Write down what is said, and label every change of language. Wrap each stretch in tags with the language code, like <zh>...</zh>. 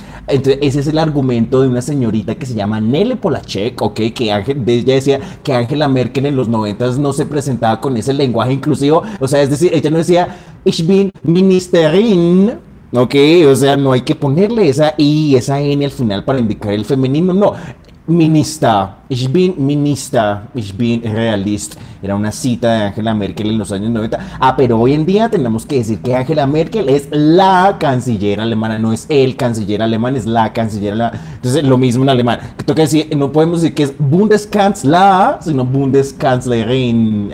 <es>Entonces, ese es el argumento de una señorita que se llama Nele Polacek, ¿okay? Que Ángel, ella decía que Angela Merkel en los 90 no se presentaba con ese lenguaje inclusivo. O sea, es decir, ella no decía,</es> <de>Ich bin Ministerin,</de> <es>¿okay? O sea, no hay que ponerle esa I, esa N al final para indicar el femenino. No,</es> <de>Minister, Ich bin Realist.</de> <es>Era una cita de Angela Merkel en los años 90. Ah, pero hoy en día tenemos que decir que Angela Merkel es la canciller alemana, no es el canciller alemán, es la canciller alemana. Entonces, lo mismo en alemán. Toca decir, no podemos decir que es Bundeskanzler, sino Bundeskanzlerin.</es>